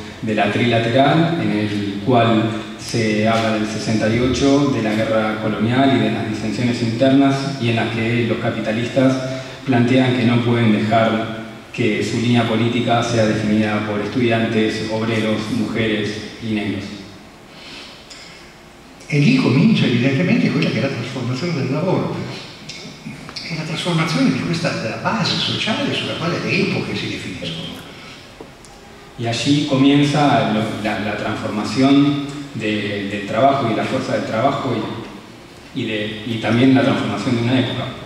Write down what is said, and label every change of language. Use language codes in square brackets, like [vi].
[es] de la trilateral, en el cual se habla del 68, de la guerra colonial y de las disensiones internas, y en la que los capitalistas plantean que no pueden dejar que su línea política sea definida por estudiantes, obreros, mujeres y negros. [it] E lì comincia evidentemente quella che è la trasformazione del lavoro. È la trasformazione di questa della base sociale sulla quale le epoche si definiscono. [es] Y allí comienza la transformación del trabajo y la fuerza del trabajo y también la transformación de una época.